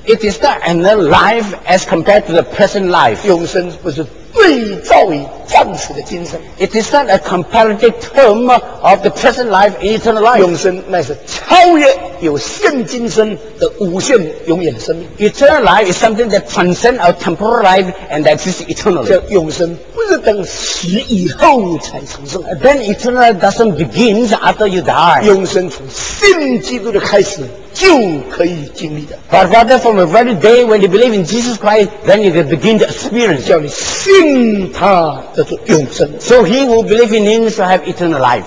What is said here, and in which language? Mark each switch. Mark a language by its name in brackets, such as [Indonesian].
[English] It is not another life as compared to the present life. [Chinese] 永生不是对照于暂时的今生。 [English] It is not a comparative term of the present life and eternal life. [Chinese] 永生那是超越有限今生的无限永远的生命。 [English] Eternal life is something that transcends our temporal life and that exists eternally. [Chinese] 叫永生不是等死以后才产生。 [English] Then eternal life doesn't begin after you die. [Chinese] 永生从信基督的开始就可以经历的。 [English] But rather from the very day when you believe in Jesus Christ, then you can begin to experience. [Chinese] 叫你信他叫做永生。 [English] So he who believes in him shall have eternal life.